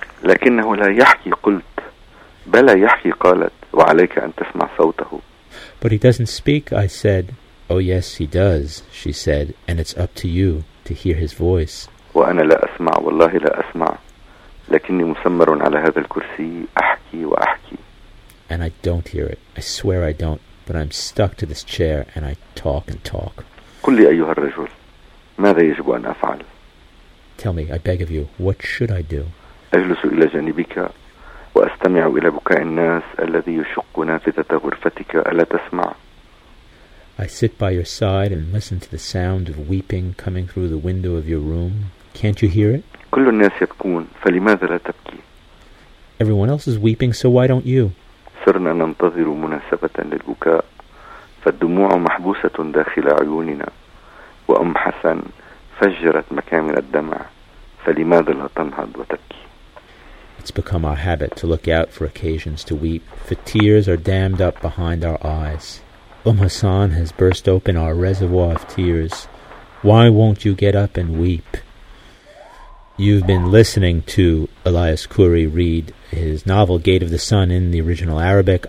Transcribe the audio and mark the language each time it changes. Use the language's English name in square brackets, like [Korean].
[Arabic] لكنه لا يحكي، قلت. بلى يحكي، قالت. وعليك أن تسمع صوته. [English] But he doesn't speak, I said. Oh yes, he does, she said. And it's up to you to hear his voice. [Arabic] وأنا لا أسمع، والله لا أسمع. لكني مسمر على هذا الكرسي أحكي وأحكي. [English] And I don't hear it. I swear I don't. But I'm stuck to this chair and I talk and talk. [Arabic] قل لي أيها الرجل، ماذا يجب أن أفعل؟ [English] Tell me, I beg of you, what should I do? [Arabic] أجلس إلى جانبك وأستمع إلى بكاء الناس الذي يشق نافذة غرفتك، ألا تسمع؟ [English] I sit by your side and listen to the sound of weeping coming through the window of your room. Can't you hear it? [Arabic] كل الناس يبكون، فلماذا لا تبكي؟ [English] Everyone else is weeping, so why don't you? [Arabic] صرنا ننتظر مناسبة للبكاء، فالدموع محبوسة داخل عيوننا، وأم حسن فجرت مكامن الدمع، فلماذا لا تنهض وتبكي؟ [English] It's become our habit to look out for occasions to weep, for tears are dammed up behind our eyes. Hassan has burst open our reservoir of tears. Why won't you get up and weep? You've been listening to Elias Khoury read his novel Gate of the Sun in the original Arabic.